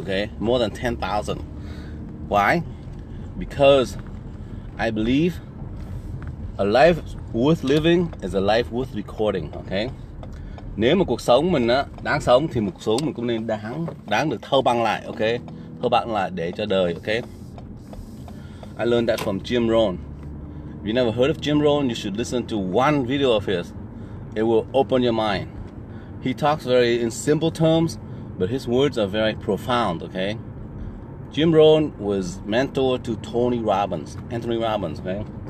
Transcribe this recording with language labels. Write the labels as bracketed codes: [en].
[en] Okay, more than 10,000. Why? Because I believe a life worth living is a life worth recording. Okay. [vi] Nếu mà cuộc sống mình á đáng sống thì một số mình cũng nên đáng được thâu băng lại, ok? Thâu băng lại để cho đời, ok? [en] I learned that from Jim Rohn. If you never heard of Jim Rohn, you should listen to one video of his. It will open your mind. He talks very in simple terms, but his words are very profound, ok? Jim Rohn was mentor to Anthony Robbins, ok?